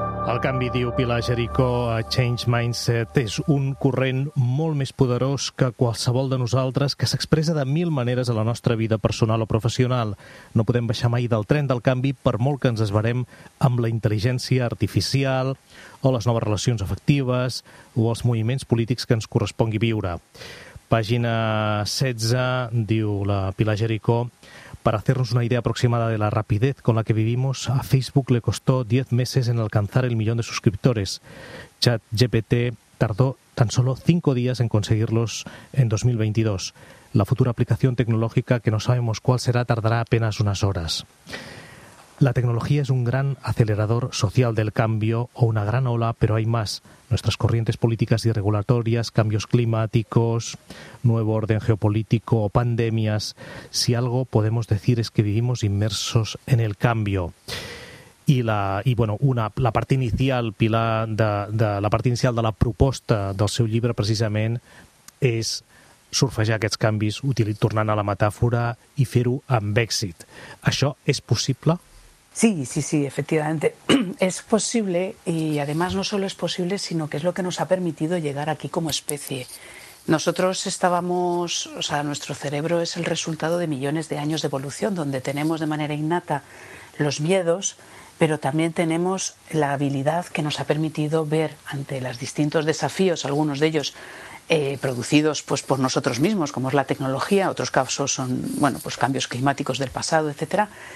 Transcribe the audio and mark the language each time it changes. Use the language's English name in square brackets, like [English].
[Catalan] El canvi, diu Pilar Jericó, a Change Mindset, és un corrent molt més poderós que qualsevol de nosaltres, que s'expressa de mil maneres a la nostra vida personal o professional. No podem baixar mai del tren del canvi, per molt que ens esverem amb la intel·ligència artificial o les noves relacions afectives o els moviments polítics que ens correspongui viure. Pàgina 16, diu la Pilar Jericó, [Spanish] para hacernos una idea aproximada de la rapidez con la que vivimos, a Facebook le costó 10 meses en alcanzar el millón de suscriptores. ChatGPT tardó tan solo 5 días en conseguirlos en 2022. La futura aplicación tecnológica, que no sabemos cuál será, tardará apenas unas horas. La tecnología es un gran acelerador social del cambio o una gran ola, pero hay más. Nuestras corrientes políticas y regulatorias, cambios climáticos, nuevo orden geopolítico o pandemias. Si algo podemos decir es que vivimos inmersos en el cambio. [Catalan] La part inicial, Pilar, la part inicial de la proposta del seu llibre precisament és surfejar aquests canvis, tornant a la metàfora, i fer-ho amb èxit. Això és possible? [Spanish] Sí, efectivamente. Es posible y además no solo es posible, sino que es lo que nos ha permitido llegar aquí como especie. Nosotros estábamos, o sea, nuestro cerebro es el resultado de millones de años de evolución, donde tenemos de manera innata los miedos, pero también tenemos la habilidad que nos ha permitido ver ante los distintos desafíos, algunos de ellos producidos pues por nosotros mismos, como es la tecnología, otros casos son, bueno, pues cambios climáticos del pasado, etcétera.